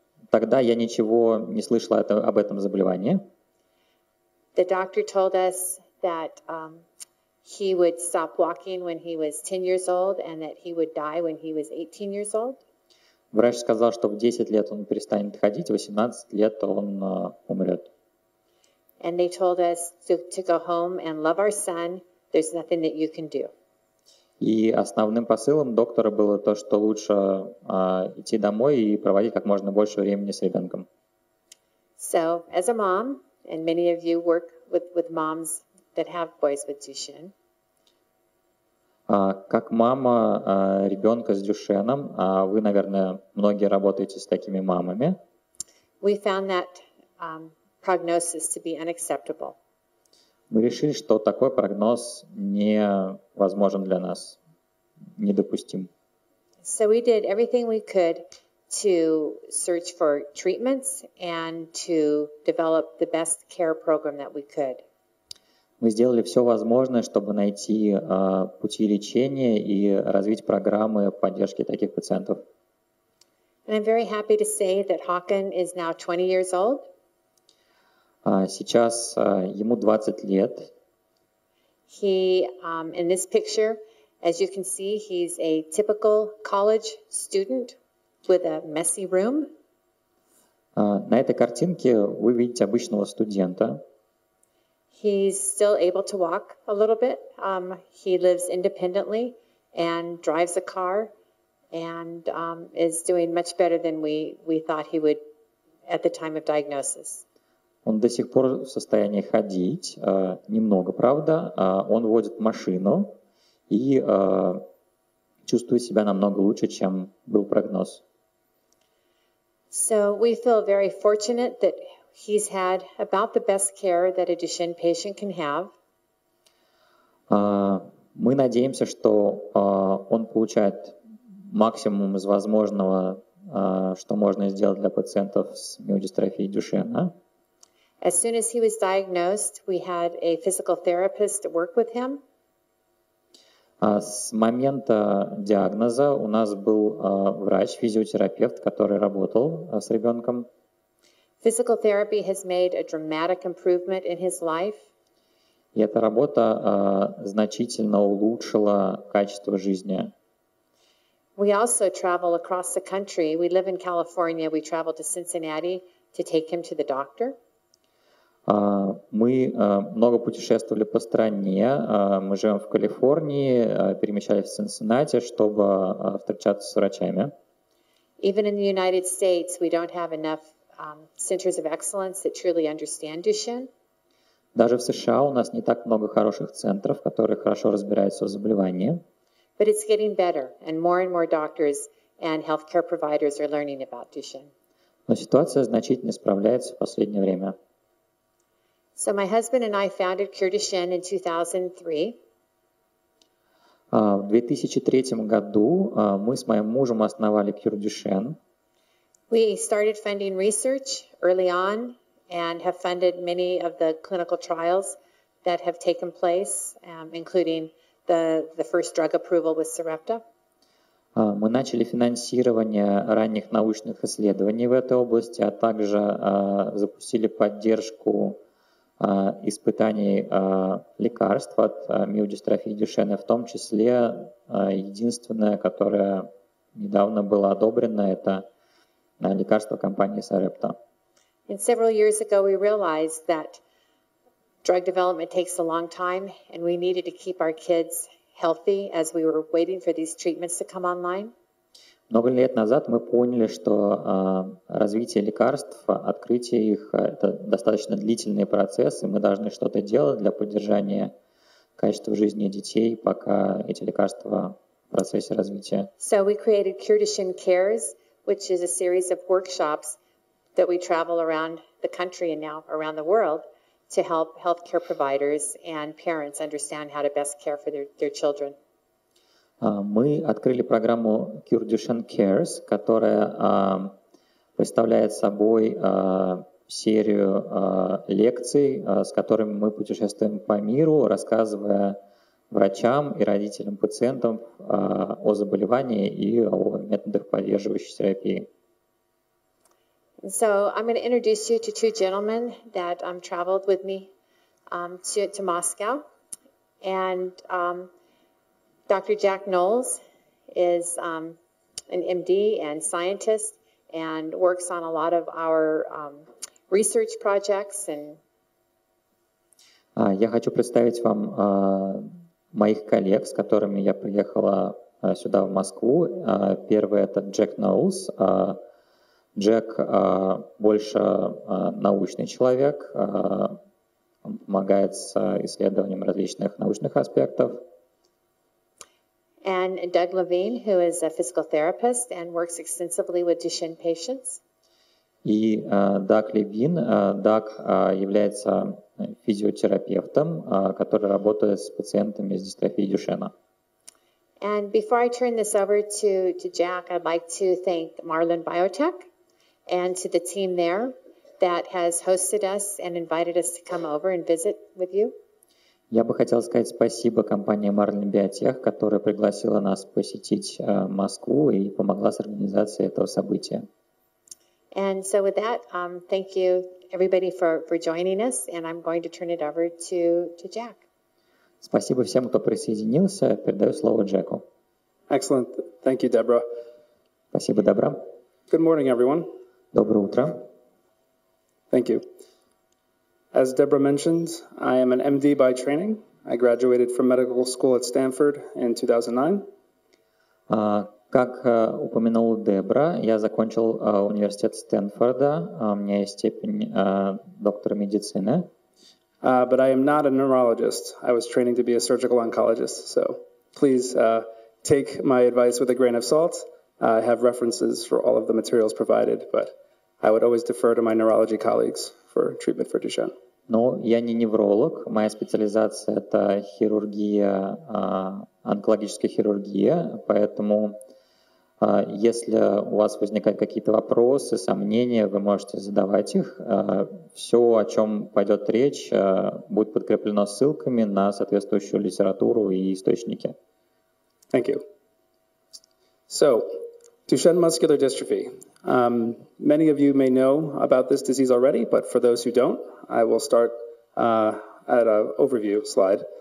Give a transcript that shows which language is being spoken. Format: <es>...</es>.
<ru>Тогда я ничего не слышала об этом заболевании.</ru> <en>The doctor told us that he would stop walking when he was 10 years old and that he would die when he was 18 years old.</en> <ru>Врач сказал, что в 10 лет он перестанет ходить, в 18 лет он умрет.</ru> <en>And they told us to go home and love our son. There's nothing that you can do.</en> <ru>И основным посылом доктора было то, что лучше идти домой и проводить как можно больше времени с ребенком.</ru> <en>So, as a mom, and many of you work with moms that have boys with Duchenne.</en> <ru>Как мама ребенка с Дюшеном, вы, наверное, многие работаете с такими мамами.</ru> <en>We found that prognosis to be unacceptable.</en> <ru>Мы решили, что такой прогноз невозможен для нас, недопустим.</ru> <en>So we did everything we could to search for treatments and to develop the best care program that we could.</en> <ru>Мы сделали все возможное, чтобы найти пути лечения и развить программы поддержки таких пациентов.</ru> <en>And I'm very happy to say that Håkon is now 20 years old.</en> <ru>Сейчас ему 20 лет.</ru> <en>He, in this picture, as you can see, he's a typical college student with a messy room.</en> <ru>На этой картинке вы видите обычного студента.</ru> <en>He's still able to walk a little bit. He lives independently and drives a car and is doing much better than we thought he would at the time of diagnosis.</en> <ru>Он до сих пор в состоянии ходить, немного, правда. Он водит машину и чувствует себя намного лучше, чем был прогноз.</ru> <en>So we feel very fortunate that he's had about the best care that a Duchenne patient can have.</en> <ru>Мы надеемся, что он получает максимум из возможного, что можно сделать для пациентов с миодистрофией Дюшенна.</ru> <en>As soon as he was diagnosed, we had a physical therapist to work with him.</en> <ru>С момента диагноза у нас был врач-физиотерапевт, который работал с ребенком.</ru> <en>Physical therapy has made a dramatic improvement in his life.</en> <ru>И эта работа значительно улучшила качество жизни.</ru> <en>We also travel across the country. We live in California. We travel to Cincinnati to take him to the doctor.</en> <ru>Мы много путешествовали по стране. Мы живем в Калифорнии, перемещались в Цинциннати, чтобы встречаться с врачами.</ru> <en>Even in the United States, we don't have enough centers of excellence that truly understand Duchenne.</en> <ru>Даже в США у нас не так много хороших центров, которые хорошо разбираются в заболевании.</ru> <en>But it's getting better, and more doctors and healthcare providers are learning about Duchenne.</en> <ru>Но ситуация значительно исправляется в последнее время.</ru> <en>So my husband and I founded Cure Duchenne in 2003.</en> <ru>В 2003 году мы с моим мужем основали Cure Duchenne.</ru> <en>We started funding research early on and have funded many of the clinical trials that have taken place, including the first drug approval with Sarepta.</en> <ru>Мы начали финансирование ранних научных исследований в этой области, а также запустили поддержку испытаний лекарств от миодистрофии Дюшенна, в том числе единственное, которое недавно было одобрено, это лекарство компании Sarepta.</ru> <en>And several years ago we realized that drug development takes a long time and we needed to keep our kids healthy as we were waiting for these treatments to come online.</en> <ru>Много лет назад мы поняли, что развитие лекарств, открытие их – это достаточно длительный процесс, и мы должны что-то делать для поддержания качества жизни детей, пока эти лекарства в процессе развития.</ru> <en>So we created Cure Duchenne Cares, which is a series of workshops that we travel around the country and now around the world to help healthcare providers and parents understand how to best care for their children.</en> <ru>Мы открыли программу Cure Duchenne Cares, которая представляет собой серию лекций, с которыми мы путешествуем по миру, рассказывая врачам и родителям пациентов о заболевании и о методах поддерживающей терапии.</ru> <en>So I'm going to introduce you to two gentlemen that traveled with me to Moscow. And Dr. Jack Knowles is an MD and scientist and works on a lot of our research projects. And</en> <ru>я хочу представить вам моих коллег, с которыми я приехала сюда, в Москву. Первый – это Джек Ноулс. Джек больше научный человек, он помогает с исследованием различных научных аспектов.</ru> <en>And Doug Levine, who is a physical therapist and works extensively with Duchenne patients.</en> <ru>И Doug Levine, Doug является физиотерапевтом, который работает с пациентами с дистрофией Дюшена.</ru> <en>And before I turn this over to Jack, I'd like to thank Marlin Biotech and to the team there that has hosted us and invited us to come over and visit with you.</en> <ru>Я бы хотел сказать спасибо компании Marlin Biotech, которая пригласила нас посетить Москву и помогла с организацией этого события.</ru> <en>And so with that, thank you everybody for joining us, and I'm going to turn it over to Jack.</en> <ru>Спасибо всем, кто присоединился. Передаю слово Джеку.</ru> <en>Excellent. Thank you, Deborah.</en> <ru>Спасибо, Дебра.</ru> <en>Good morning, everyone.</en> <ru>Доброе утро.</ru> <en>Thank you. As Deborah mentioned, I am an MD by training. I graduated from medical school at Stanford in 2009.</en> <ru>Как упомянул Дебра, я закончил университет Стэнфорда. У меня есть степень доктора медицины.</ru> <en>But I am not a neurologist. I was training to be a surgical oncologist. So please take my advice with a grain of salt. I have references for all of the materials provided, but I would always defer to my neurology colleagues for treatment for Duchenne.</en> <ru>Но я не невролог. Моя специализация – это хирургия, онкологическая хирургия. Поэтому, если у вас возникают какие-то вопросы, сомнения, вы можете задавать их. Все, о чем пойдет речь, будет подкреплено ссылками на соответствующую литературу и источники.</ru> <en>Thank you. So, Duchenne muscular dystrophy. Many of you may know about this disease already, but for those who don't, I will start at an overview slide.</en>